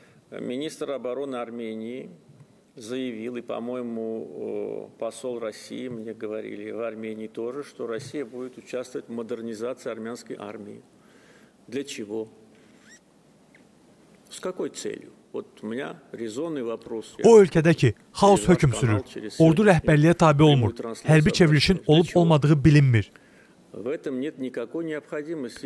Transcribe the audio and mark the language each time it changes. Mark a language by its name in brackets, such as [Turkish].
[Russian] Министр обороны Армении заявил, и, по-моему, посол России мне говорили в Армении тоже, что Россия будет участвовать в модернизации армянской армии. Для чего? С какой целью? Вот у меня резонный вопрос. [Azerbaijani] O ölkədəki xaos hökm sürür. Ordu rəhbərliyə tabi olmur. Hərbi çevrilişin olub-olmadığı bilinmir. [Russian] В этом нет никакой необходимости.